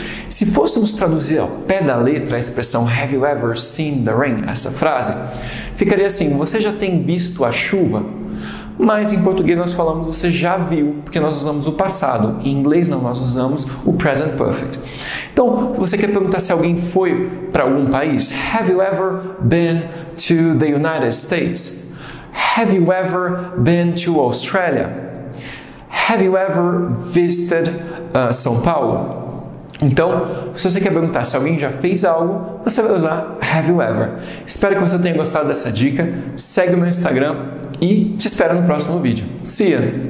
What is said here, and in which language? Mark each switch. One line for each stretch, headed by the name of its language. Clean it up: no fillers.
Portuguese: Se fôssemos traduzir ao pé da letra a expressão
English: have you ever seen the rain,
Portuguese: essa frase, ficaria assim: você já tem visto a chuva? Mas em português nós falamos você já viu, porque nós usamos o passado. Em inglês não, nós usamos o present perfect. Então, você quer perguntar se alguém foi para algum país?
English: Have you ever been to the United States? Have you ever been to Australia? Have you ever visited São Paulo?
Portuguese: Então, se você quer perguntar se alguém já fez algo, você vai usar
English: have you ever.
Portuguese: Espero que você tenha gostado dessa dica. Segue o meu Instagram e te espero no próximo vídeo.
English: See ya!